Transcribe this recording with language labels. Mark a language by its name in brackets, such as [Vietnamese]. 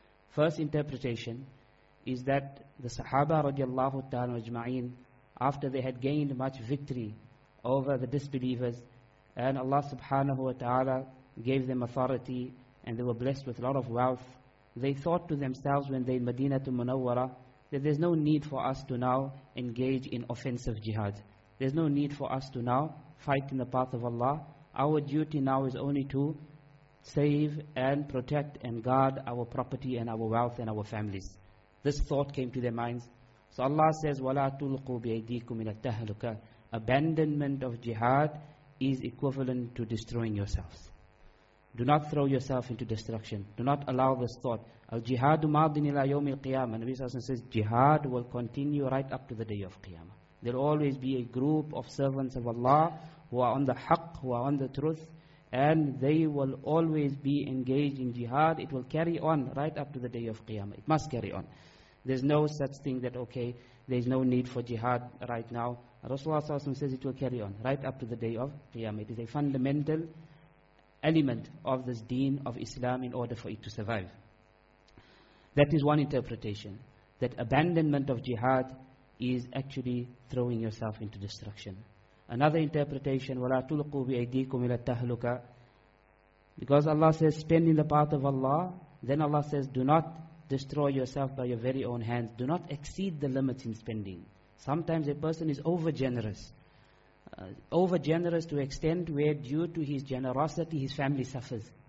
[English] First interpretation is that the Sahaba radiallahu ta'ala ajma'in, after they had gained much victory over the disbelievers, and Allah subhanahu wa ta'ala gave them authority, and they were blessed with a lot of wealth, they thought to themselves when they in Madinatul Munawwara that there's no need for us to now engage in offensive jihad. There's no need for us to now fight in the path of Allah. Our duty now is only to save and protect and guard our property and our wealth and our families. This thought came to their minds. So Allah says, [Arabic] وَلَا تُلْقُوا بِأَيْدِيكُمْ مِنَ التَّهْلُكَةِ. [English] Abandonment of jihad is equivalent to destroying yourselves. Do not throw yourself into destruction. Do not allow this thought. [Arabic] Al-jihadu madin ila yawm al-qiyamah. [English] Nabi Sallallahu Alaihi Wasallam says, jihad will continue right up to the day of Qiyamah. There will always be a group of servants of Allah who are on the haqq, who are on the truth, and they will always be engaged in jihad. It will carry on right up to the day of Qiyamah. It must carry on. There's no such thing that, okay, there's no need for jihad right now. Rasulullah Sallallahu Alaihi Wasallam says it will carry on right up to the day of Qiyamah. It is a fundamental element of this deen of Islam in order for it to survive. That is one interpretation, that abandonment of jihad is actually throwing yourself into destruction. Another interpretation, [Arabic] وَلَا تُلْقُوا بِأَيْدِيكُمْ إِلَى التَّهْلُكَ. [English] Because Allah says, spend in the path of Allah, then Allah says, do not destroy yourself by your very own hands. Do not exceed the limits in spending. Sometimes a person is over-generous. Over-generous to extent where due to his generosity, his family suffers.